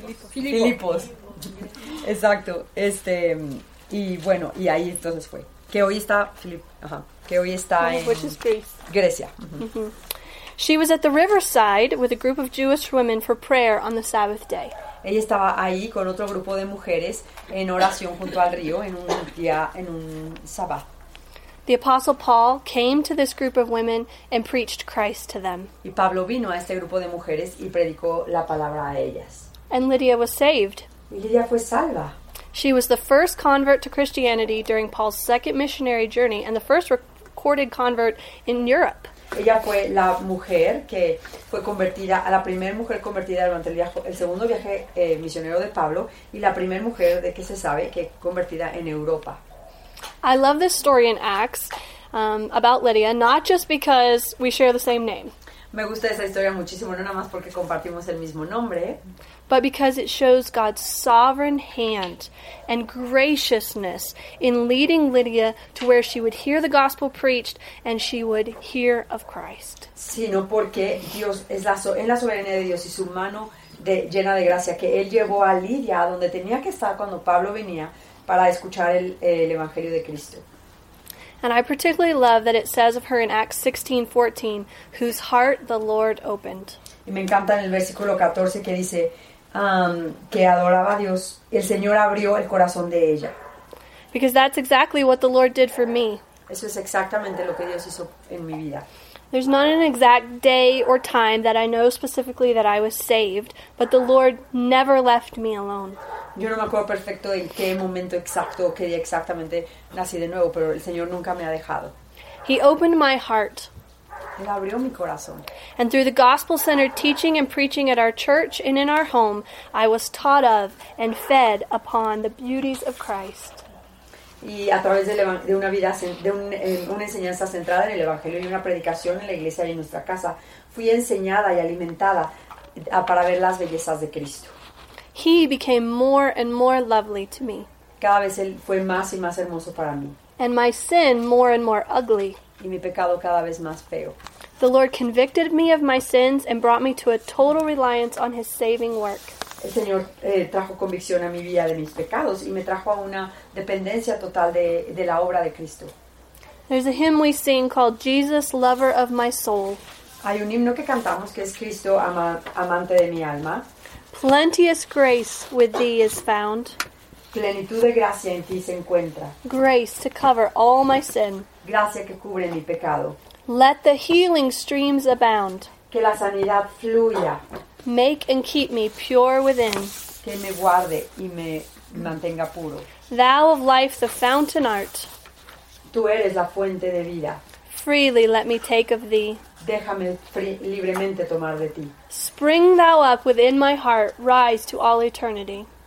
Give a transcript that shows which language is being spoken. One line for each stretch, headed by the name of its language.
Spanish: Filipos. Exacto. Y bueno, y ahí entonces fue. Que hoy está en Grecia. Uh-huh.
English: She was at the riverside with a group of Jewish women for prayer on the Sabbath day.
Spanish: Ella estaba ahí con otro grupo de mujeres en oración junto al río en un día, en un sábado.
English: The Apostle Paul came to this group of women and preached Christ to them.
Spanish: Y Pablo vino a este grupo de mujeres y predicó la palabra a ellas.
English: And Lydia was saved.
Spanish: Y Lydia fue salva.
English: She was the first convert to Christianity during Paul's second missionary journey and the first recorded convert in Europe.
Spanish: Ella fue la mujer que fue convertida, a la primera mujer convertida durante el segundo viaje misionero de Pablo y la primera mujer de que se sabe que convertida en Europa.
English: I love this story in Acts about Lydia, not just because we share the same name.
Spanish: Me gusta esa historia muchísimo, no nada más porque compartimos el mismo nombre.
English: But because it shows God's sovereign hand and graciousness in leading Lydia to where she would hear the gospel preached and she would hear of Christ.
Spanish: Sino porque Dios es la soberanía de Dios y su mano llena de gracia que él llevó a Lydia a donde tenía que estar cuando Pablo venía. Para escuchar el Evangelio de Cristo.
English: And I particularly love that it says of her in Acts 16:14, whose heart the Lord opened.
Spanish: Y me encanta en el versículo 14 que dice que adoraba a Dios, el Señor abrió el corazón de ella.
English: Because that's exactly what the Lord did for me.
Spanish: Eso es exactamente lo que Dios hizo en mi vida.
English: There's not an exact day or time that I know specifically that I was saved, but the Lord never left me alone.
Spanish: Yo no me acuerdo perfecto en qué momento exacto, qué día exactamente nací de nuevo, pero el Señor nunca me ha dejado.
English: He opened my heart.
Spanish: Él abrió mi corazón.
English: And through the gospel-centered teaching and preaching at our church and in our home, I was taught of and fed upon the beauties of Christ.
Spanish: y a través de una enseñanza centrada en el Evangelio y una predicación en la iglesia y en nuestra casa, fui enseñada y alimentada para ver las bellezas de Cristo.
English: He became more and more lovely to me.
Spanish: Cada vez él fue más y más hermoso para mí.
English: And my sin more and more ugly.
Spanish: Y mi pecado cada vez más feo.
English: The Lord convicted me of my sins and brought me to a total reliance on His saving work.
Spanish: El Señor trajo convicción a mi vida de mis pecados y me trajo a una dependencia total de la obra de Cristo.
English: There's a hymn we sing called Jesus, Lover of My Soul.
Spanish: Hay un himno que cantamos que es Cristo, amante de mi alma.
English: Plenteous grace with Thee is found.
Spanish: Plenitud de gracia en Ti se encuentra.
English: Grace to cover all my sin.
Spanish: Gracia que cubre mi pecado.
English: Let the healing streams abound.
Spanish: Que la sanidad fluya.
English: Make and keep me pure within.
Spanish: Que me guarde y me mantenga puro.
English: Thou of life the fountain art.
Spanish: Tú eres la fuente de vida.
English: Freely let me take of Thee.
Spanish: Déjame libremente tomar de Ti.
English: Spring Thou up within my heart, rise to all eternity.